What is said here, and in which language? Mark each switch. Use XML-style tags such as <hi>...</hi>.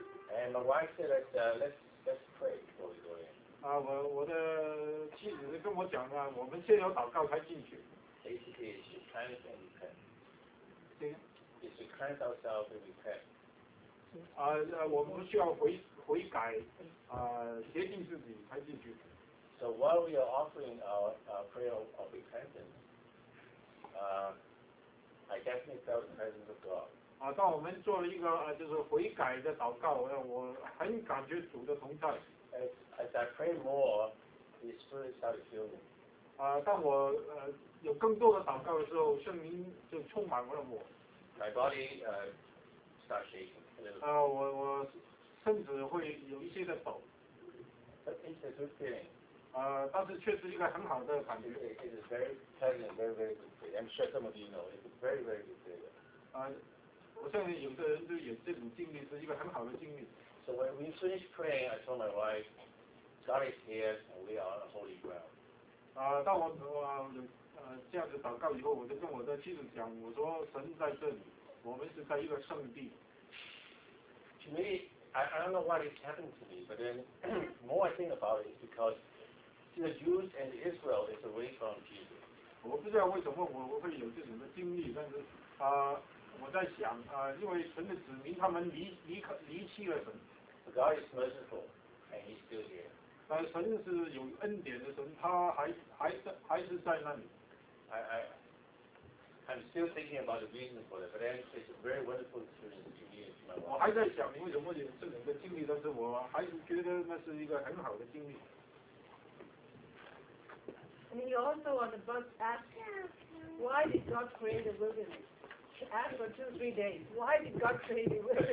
<en>And my wife said that let's pray before we go in.</en> <zh>我的妻子跟我讲啊，我们先要祷告才进去。</zh> <en>Basically, we cleanse and repent.</en> <zh>对。</zh> <en>We should cleanse ourselves and repent.</en> <zh>我们需要悔改，洁净自己才进去。</zh> <en>So while we are offering our prayer of repentance, I definitely felt the presence of God.</en> <zh>当我们做了一个就是悔改的祷告，我很感觉主的同在。</zh> <en>As I pray more, the Spirit started filling.</en> <zh>当我有更多的祷告的时候，圣灵就充满了我。</zh> <en>My body start shaking.</en> <zh>我身子会有一些的抖。</zh> <en>But it's a good feeling.</en> <zh>但是却是一个很好的感觉。</zh> <en>It is very pleasant, very very good feeling. I'm sure some of you know it's very very good feeling.</en> <zh>我相信有的人就有这种经历，是一个很好的经历。</zh> <en>So when we finish praying, I told my wife, God is here and we are on the holy ground.</en> <zh>当我这样子祷告以后，我就跟我的妻子讲，我说神在这里，我们是在一个圣地。</zh> <en>To me, I don't know what is happening to me, but then more I think about it is because the Jews and Israel is away from Jesus.</en> <zh>我不知道为什么我会有这种的经历，但是我在想因为神的子民他们离弃了神。</zh> <en>God is merciful and he's still here.</en> <zh>但神是有恩典的神，他还是在那里。</zh> <en>I'm still thinking about the reason for that, but actually it's a very wonderful experience to me.</en> <zh>我还在想为什么有这种的经历，但是我还是觉得那是一个很好的经历。</zh> <en>And he also on the bus asked, why did God create a wilderness? To ask for 2-3 days, why did God create the wilderness?</en>